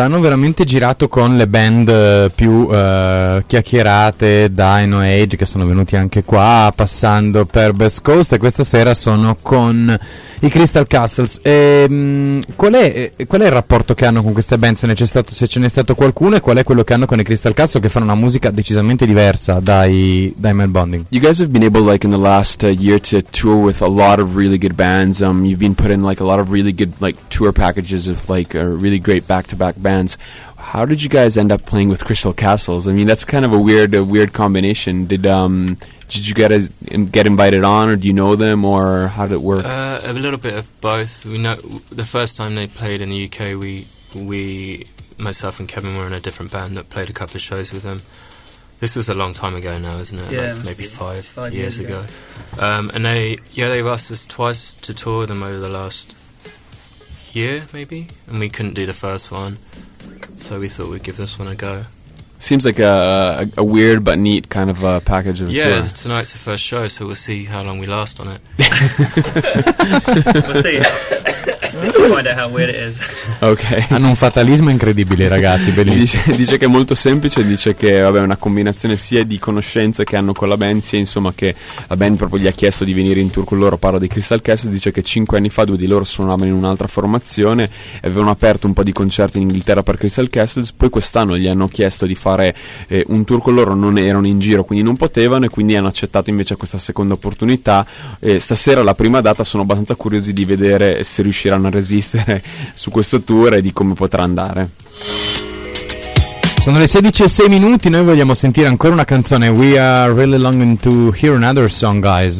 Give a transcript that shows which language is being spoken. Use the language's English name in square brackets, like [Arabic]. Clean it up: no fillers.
[Italian] Hanno veramente girato con le band più chiacchierate, Dino Age, che sono venuti anche qua, passando per Best Coast, e questa sera sono con i Crystal Castles. Qual è il rapporto che hanno con queste band, se ce n'è stato qualcuno, e qual è quello che hanno con i Crystal Castles, che fanno una musica decisamente diversa dai Male Bonding? [English] You guys have been able, like, in the last year to tour with a lot of really good bands. You've been put in, like, a lot of really good, like, tour packages of, like, really great back-to-back bands. How did you guys end up playing with Crystal Castles? I mean, that's kind of a weird combination. Did you get invited on, or do you know them, or how did it work? A little bit of both. We know the first time they played in the UK, we myself and Kevin were in a different band that played a couple of shows with them. This was a long time ago now, isn't it? Yeah, like it maybe five years ago. And they've asked us twice to tour them over the last year, maybe, and we couldn't do the first one, so we thought we'd give this one a go. Seems like a weird but neat kind of package of tour. Yeah, tonight's the first show, so we'll see how long we last on it. We'll find out how weird it is. Okay. [Italian] Hanno un fatalismo incredibile, ragazzi, bellissimo. Dice che è molto semplice, dice che vabbè, è una combinazione sia di conoscenze che hanno con la band, sia insomma che la band proprio gli ha chiesto di venire in tour con loro. Parla di Crystal Castles, dice che 5 anni fa due di loro suonavano in un'altra formazione e avevano aperto un po' di concerti in Inghilterra per Crystal Castles, poi quest'anno gli hanno chiesto di fare un tour con loro, non erano in giro, quindi non potevano, e quindi hanno accettato invece questa seconda opportunità. Stasera la prima data, sono abbastanza curiosi di vedere se riusciranno a resistere su questo tour e di come potrà andare. Sono le 16:06. Noi vogliamo sentire ancora una canzone. [English] We are really longing to hear another song, guys.